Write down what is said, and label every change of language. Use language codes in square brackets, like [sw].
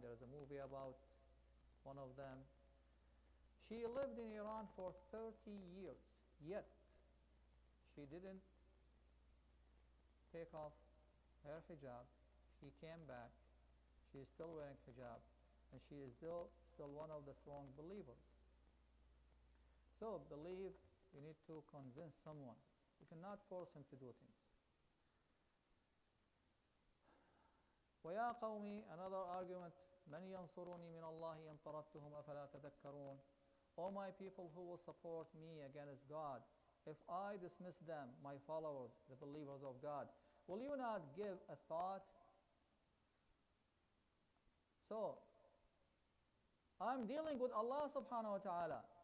[en] There's a movie about one of them. She lived in Iran for 30 years, yet she didn't take off her hijab. She came back. She is still wearing hijab, and she is still one of the strong believers. So believe, you need to convince someone. You cannot force him to do things. [ar] وَيَا قَوْمِي, [en] another argument, [ar] مَنْ يَنْصُرُونِي مِنَ اللَّهِ إِنْ طَرَدْتُهُمْ أَفَلَا تَذَكَّرُونَ. [en] O my people, who will support me against God if I dismiss them, my followers, the believers of God? Will you not give a thought? So I'm dealing with Allah subhanahu wa ta'ala.